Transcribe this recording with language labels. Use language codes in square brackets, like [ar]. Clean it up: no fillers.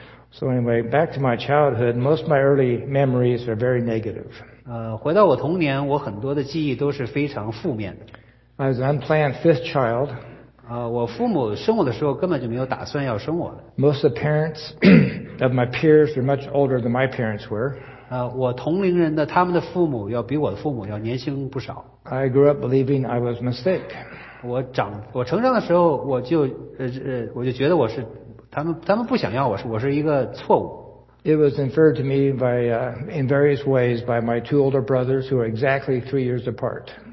[en] So anyway, back to my childhood, most of my early memories are very negative. [zh] 回到我童年，我很多的记忆都是非常负面的。 [en] I was an unplanned fifth child. [zh] 我父母生我的时候根本就没有打算要生我的。 [en] Most of the parents of my peers were much older than my parents were. [zh] 我同龄人的他们的父母要比我的父母要年轻不少。 [en] I grew up believing I was a mistake. [zh] 我成长的时候，我就觉得我是他们不想要我，我是一个错误。 [en] It was inferred to me in various ways by my two older brothers who are exactly 3 years apart.